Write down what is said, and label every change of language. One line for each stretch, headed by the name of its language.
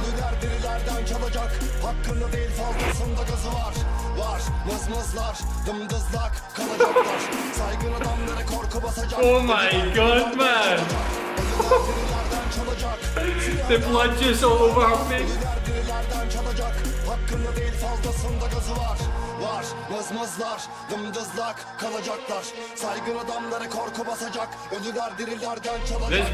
Turkish: Ölüler dirilerden çalacak. Hakkında değil fazlasında gazı var. Var mızmızlar dımdızlak kalacaklar. Saygın adamlara korku basacak.
English: Oh my god man. The blood just all over her face.
Turkish: Hakkında değil fazlasında gazı var. Var mızmızlar dımdızlak kalacaklar. Saygın adamlara korku basacak. Ölüler dirilerden çalacak.